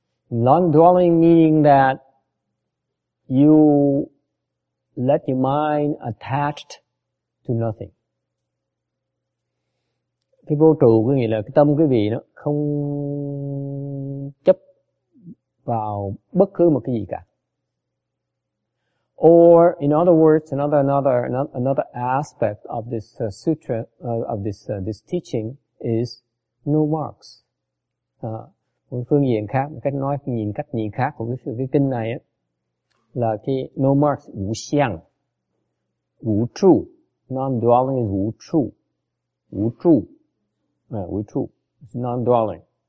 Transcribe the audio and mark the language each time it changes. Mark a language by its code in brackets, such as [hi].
[en] Non-dwelling meaning that you let your mind attached to nothing. [vi] Cái vô trụ có nghĩa là cái tâm quý vị nó không chấp vào bất cứ một cái gì cả. [en] Or in other words, another aspect of this sutra of this teaching is no marks. [vi] Một phương diện khác, một cách nói, nhìn cách nhìn khác của cái kinh này ấy, là cái [en] no marks, [vi] wu xiang, wu trụ, [en] non-dwelling is wu trụ, wu trụ, wu trụ, it's non-dwelling.